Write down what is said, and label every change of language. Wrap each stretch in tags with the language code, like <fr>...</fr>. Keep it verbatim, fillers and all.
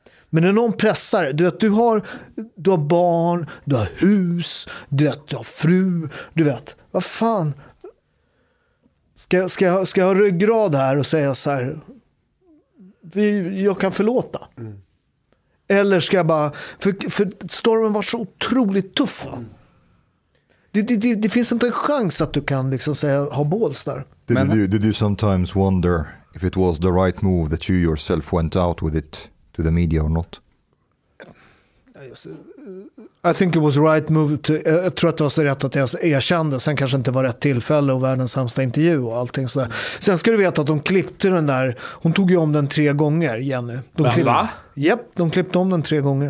<sv>Men när någon pressar, du vet, du har, du har barn, du har hus, du vet, du har fru, du vet, vad fan, ska, ska, ska jag ha ryggrad här och säga så här, vi, jag kan förlåta. Mm. Eller ska jag bara, för, för stormen var så otroligt tuff. Mm. Det, det, det, det finns inte en chans att du kan liksom säga, ha båls där.</sv> <en>Did, Men, you, did you sometimes wonder if it was the right move that you yourself went out with it? To the media or not? I think it was right move to,</en> <sv>jag tror att det var så rätt att jag erkände. Sen kanske inte var rätt tillfälle och världens sämsta intervju och allting sådär. Sen ska du veta att de klippte den där. Hon tog ju om den tre gånger, Jenny. De klippte, va? Japp, de klippte om den tre gånger.</sv>